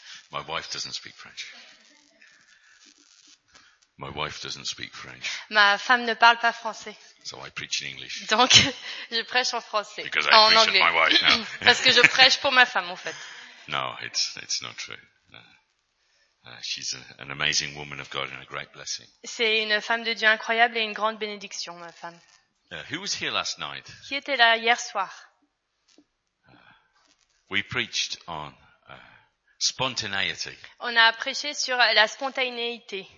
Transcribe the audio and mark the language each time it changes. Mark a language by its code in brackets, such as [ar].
[en] My wife doesn't speak French. My wife doesn't speak French. [fr] Ma femme ne parle pas français. [en] So I preach in English. [fr] Donc, je prêche en français. [en] Because I [fr] en [en] preach [fr] anglais. [en] My wife, no. [fr] Parce que je prêche pour ma femme, en fait. [en] No, it's not true. No. She's an amazing woman of God and a great blessing. [fr] C'est une femme de Dieu incroyable et une grande bénédiction, ma femme. [en] Who was here last night? [fr] Qui était là hier soir? [en] We preached on spontaneity. [fr] On a prêché sur la spontanéité.